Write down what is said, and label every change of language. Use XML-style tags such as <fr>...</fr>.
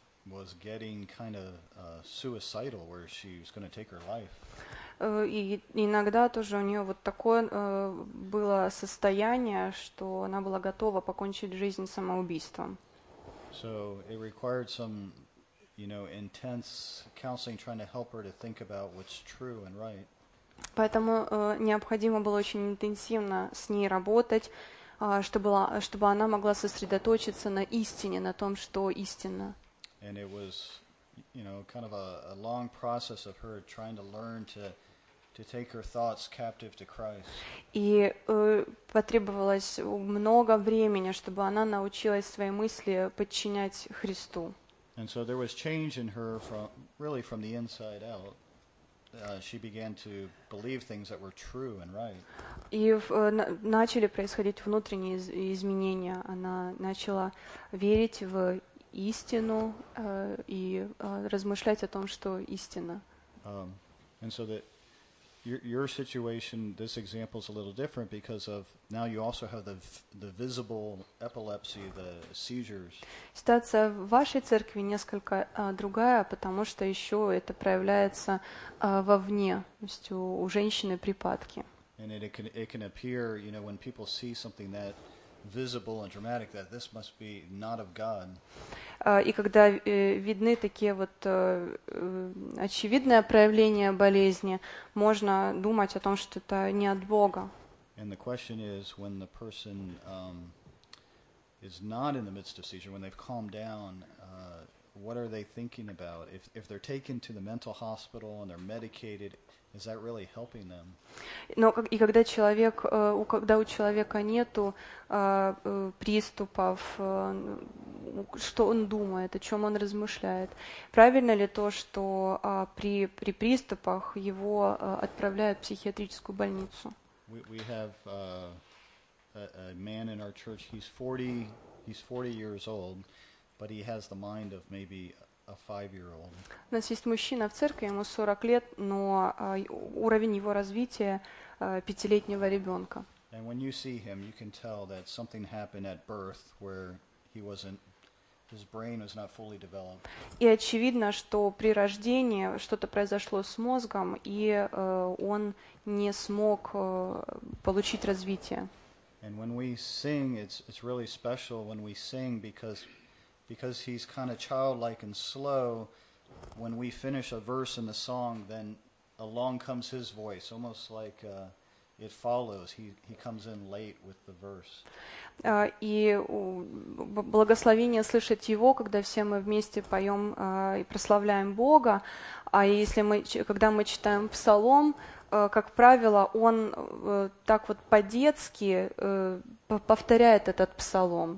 <en>Was getting kind of suicidal, where she was going to take her life.</en> <ru>И иногда тоже у нее вот такое было состояние, что она была готова покончить жизнь самоубийством.</ru> <en>So it required some, you know, intense counseling, trying to help her to think about what's true and right.</en> <ru>Поэтому необходимо было очень интенсивно с ней работать, чтобы она могла сосредоточиться на истине, на том, что истинно.</ru> <en>And it was, you know, kind of a long process of her trying to learn to take her thoughts captive to Christ.</en> <ru>И потребовалось много времени, чтобы она научилась свои мысли подчинять Христу.</ru> <en>And so there was change in her from the inside out. She began to believe things that were true and right.</en> <ru>И начали происходить внутренние изменения. Она начала верить в истину и размышлять о том, что истина.</ru> <en>And so that your situation, this example is a little different because of now you also have the visible epilepsy, the seizures.</en> <ru>Ситуация в вашей церкви несколько другая, потому что еще это проявляется вовне, то есть у женщины припадки.</ru> <en>And it can appear, you know, when people see something that visible and dramatic, that this must be not of God.</en> <ru>И когда видны такие вот очевидные проявления болезни, можно думать о том, что это не от Бога.</ru> <en>And the question is, when the person is not in the midst of seizure, when they've calmed down, what are they thinking about? If they're taken to the mental hospital and they're medicated, is that really helping them?</en> <ru>Но и когда человек, когда у человека нету приступов, что он думает, о чем он размышляет? Правильно ли то, что при приступах его отправляют в психиатрическую больницу?</ru> <en>We have a man in our church. He's 40 years old, but he has the mind of maybe a 5-year-old.</en> <ru>У нас есть мужчина в церкви, ему 40 лет, но уровень его развития 5-летнего ребенка.</ru> <en>And when you see him, you can tell that something happened at birth where his brain was not fully developed.</en> <ru>И очевидно, что при рождении что-то произошло с мозгом, и он не смог получить развитие.</ru> <en>And when we sing, it's really special when we sing because because he's kind of childlike and slow, when we finish a verse in the song, then along comes his voice, almost like it follows. He comes in late with the verse.</en> <ru>И благословение слышать его, когда все мы вместе поем и прославляем Бога. А если мы, когда мы читаем псалом, как правило, он так вот по-детски повторяет этот псалом.</ru>